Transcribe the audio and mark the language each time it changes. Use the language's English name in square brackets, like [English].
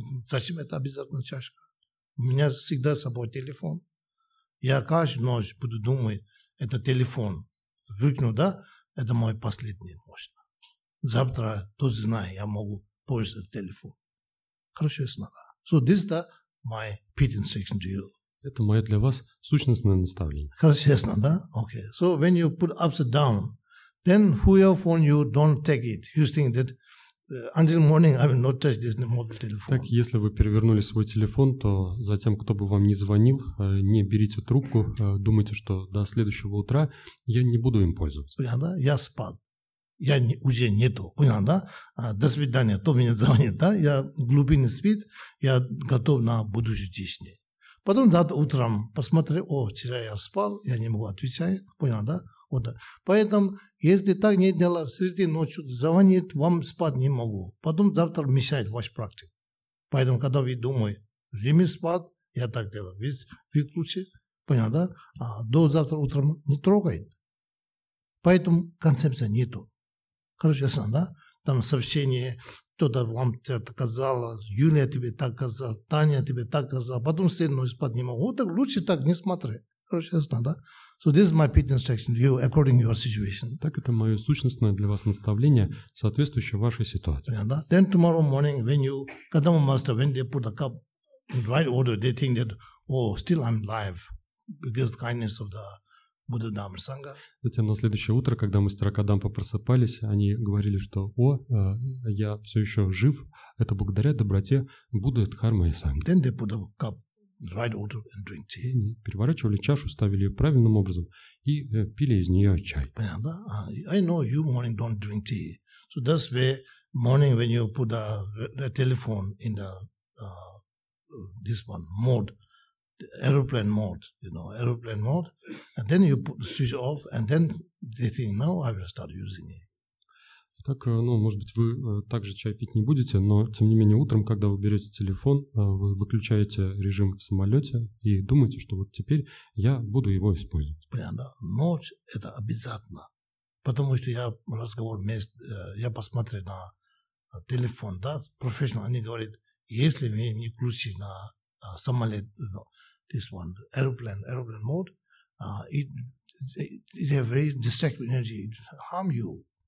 [Russian] Зачем это обязательно чашка? У меня всегда с собой телефон. Я каждую ночь буду думать, это телефон. Выкну, да? Это мой последний, мощно. Завтра, тот знает, я могу пользоваться телефоном. Хорошо, ясно, да. [English] So this is the my pit instruction to you. [Russian] Это мое для вас сущностное наставление. Хорошо, ясно, да? [English] Okay. So when you put upside down, then whoever phone you, don't take it. You think that until morning I will not touch this mobile telephone. [Russian] Так, если вы перевернули свой телефон, то затем, кто бы вам ни звонил, не берите трубку, думайте, что до следующего утра я не буду им пользоваться. Понятно, да? Я спал. Я не, уже нету. Понятно, да? До свидания. Кто мне звонит, да? Я глубинный спит. Я готов на будущую жизнь. Потом завтра утром посмотри, о, вчера я спал, я не могу отвечать, понял, да? Вот. Поэтому, если так не дело, в среди ночи звонит, вам спать не могу. Потом завтра мешает ваш практик. Поэтому, когда вы думаете, время спать, я так делаю. Ведь выключи, понял, да? А до завтра утром не трогает. Поэтому концепция нету. Короче, ясно, да? Там сообщение. Кто-то вам сказала, Юлия тебе так сказала, Таня тебе так сказала, потом сильно спать не могу. Вот так лучше так не смотри. Короче, ясно, да? [English] So this is my pit instruction to you according to your situation. [Russian] Так это мое сущностное для вас наставление, соответствующее вашей ситуации. [English] Yeah, [Russian] да? [English] Then tomorrow morning, when you, Kadama Master, when they put a cup in right order, they think that, oh, still I'm alive, because kindness of the Будда Дхамма Санга. [Russian] Затем на следующее утро, когда мастера Кадампа просыпались, они говорили, что «О, я все еще жив, это благодаря доброте Будды Дхармы и Санги». [English] Then they put a cup right order and drink tea. [Russian] Они переворачивали чашу, ставили ее правильным образом и пили из нее чай. Понятно, да? [English] I know you morning don't drink tea. So that's where morning when you put the telephone in the this one mode, aeroplane mode, you know, aeroplane mode, and then you put the switch off, and then they think, now I will start using it. [Russian] Так, ну, может быть, вы также чай пить не будете, но, тем не менее, утром, когда вы берете телефон, вы выключаете режим в самолете и думаете, что вот теперь я буду его использовать. Понятно. Ночь – это обязательно, потому что я разговор вместе, я посмотрел на телефон, да, профессионал, они говорят, если мы не включим на самолет, [English] this one, aeroplane mode, it have very destructive energy, it harm you.